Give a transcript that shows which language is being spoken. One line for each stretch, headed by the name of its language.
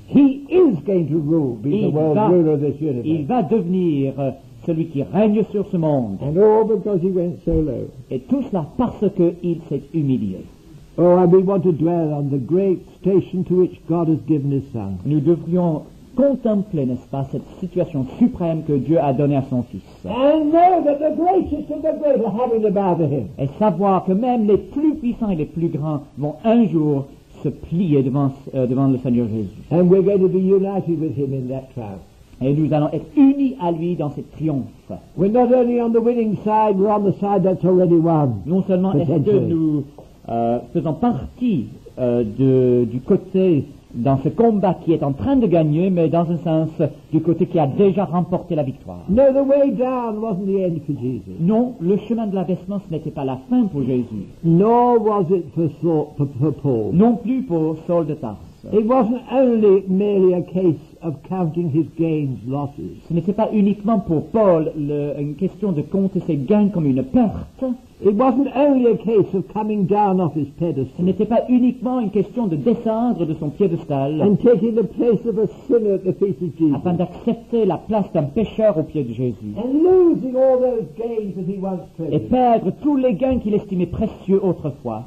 English: He is going to rule, be the world ruler this universe.
French: Il va devenir celui qui règne sur ce monde.
English: And all because he went so low.
French: Et tout cela parce qu'il s'est humilié.
English: Oh, and we want to dwell on the great station to which God has given his son.
French: Nous devrions contempler, n'est-ce pas, cette situation suprême que Dieu a donnée à son fils.
English: And know that the greatest and the greatest are having to bow to him.
French: Et savoir que même les plus puissants et les plus grands vont un jour se plier devant le Seigneur Jésus.
English: And we're going to be united with him in that trial.
French: Et nous allons être unis à lui dans ce triomphe.
English: We're not only on the winning side, we're on the side that's already won.
French: Non seulement est-ce que nous faisons partie du côté dans ce combat qui est en train de gagner, mais dans un sens du côté qui a déjà remporté la victoire.
English: No, the way down wasn't the end for Jesus.
French: Non, le chemin de l'abaissement, ce n'était pas la fin pour Jésus.
English: Nor was it for Paul.
French: Non plus pour Saul de Tarse.
English: It wasn't only merely a case of counting his gains, losses.
French: Ce n'était pas uniquement pour Paul une question de compter ses gains comme une perte.
English: It wasn't only a case of coming down off his pedestal.
French: Ce n'était pas uniquement une question de descendre de son piédestal.
English: And taking the place of a sinner at the feet of Jesus.
French: Afin d'accepter la place d'un pécheur aux pieds de Jésus.
English: And losing all those gains that he once treasured.
French: Et perdre tous les gains qu'il estimait précieux autrefois.